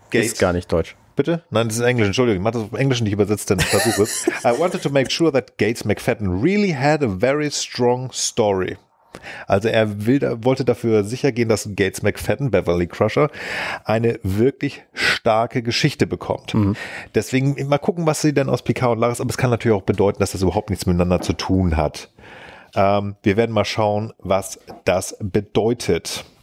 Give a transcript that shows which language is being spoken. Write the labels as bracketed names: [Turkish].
[German] Das ist gar nicht Deutsch. Bitte? Nein, das ist Englisch, Entschuldigung. Ich mache das auf Englisch nicht übersetzt, denn ich versuche es. [English] I wanted to make sure that Gates McFadden really had a very strong story. [German] Also er wollte dafür sicher gehen, dass Gates McFadden, Beverly Crusher, eine wirklich starke Geschichte bekommt. Deswegen mal gucken, was sie denn aus Picard und Laris, aber es kann natürlich auch bedeuten, dass das überhaupt nichts miteinander zu tun hat. Wir werden mal schauen, was das bedeutet.